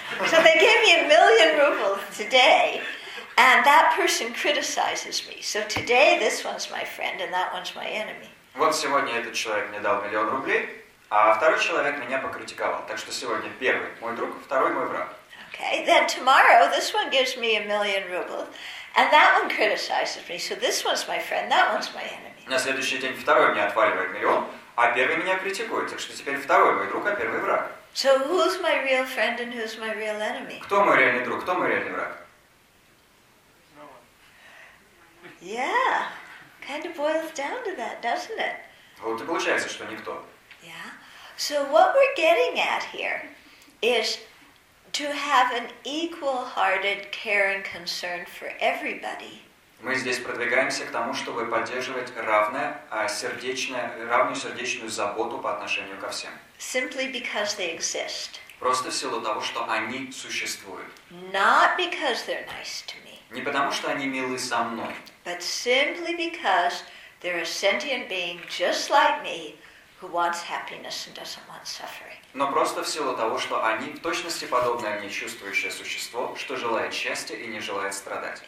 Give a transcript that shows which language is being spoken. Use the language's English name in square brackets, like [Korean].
[English] So they gave me 1,000,000 rubles today, and that person criticizes me. So today this one's my friend, and that one's my enemy. [Russian] Вот сегодня этот человек мне дал 1,000,000 рублей, а второй человек меня покритиковал. Так что сегодня первый мой друг, второй мой враг. [English] Okay, then tomorrow this one gives me 1,000,000 rubles, and that one criticizes me. So this one's my friend, that one's my enemy. [Russian] На следующий день второй мне отваливает 1,000,000, а первый меня критикует, так что теперь второй мой друг, а первый враг. [English] So who's my real friend and who's my real enemy? [Russian] Кто мой реальный друг, кто мой реальный враг? [English] Yeah, kind of boils down to that, doesn't it? [Russian] Вот и получается, что никто. [English] Yeah. So what we're getting at here is to have an equal-hearted care and concern for everybody. [Russian] Мы здесь продвигаемся к тому, чтобы поддерживать равную сердечную заботу по отношению ко всем. [English] Simply because they exist. [Russian] Просто в силу того, что они существуют. [English] Not because they're nice to me. [Russian] Не потому, что они милы со мной. [English] But simply because they're a sentient being just like me who wants happiness and doesn't want suffering. [Russian] Но просто в силу того, что они в точности подобное мне чувствующее существо, что желает счастья и не желает страдать.